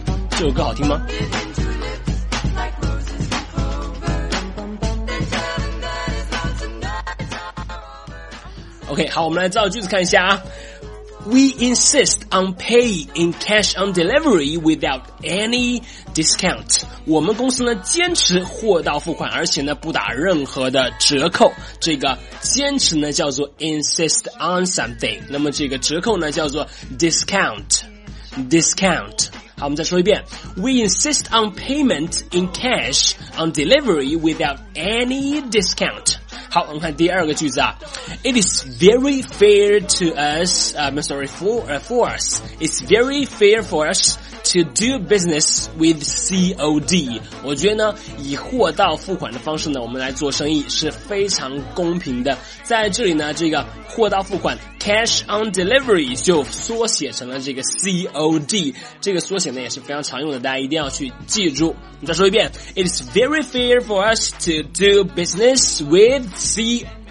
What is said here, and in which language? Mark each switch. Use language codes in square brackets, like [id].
[zh] 这首歌好听吗？ OK, 好，我们来造句子看一下啊。 [en] We insist on paying cash on delivery without any discount. [zh] 我们公司呢坚持货到付款，而且呢不打任何的折扣。这个坚持呢叫做 [en] insist on something, [zh] 那么这个折扣呢叫做 discount, discount。好，我们再说一遍。 [en] We insist on payment in cash on delivery without any discount. [zh] 好，我们看第二个句子啊。 [en] It is very fair to us, for us. It's very fair for us to do business with COD. [zh] 我觉得呢，以货到付款的方式呢，我们来做生意是非常公平的。在这里呢，这个货到付款 [en] cash on delivery [zh] 就缩写成了这个 COD。这个缩写呢也是非常常用的，大家一定要去记住。再说一遍 [en] ，It is very fair for us to do business with COD.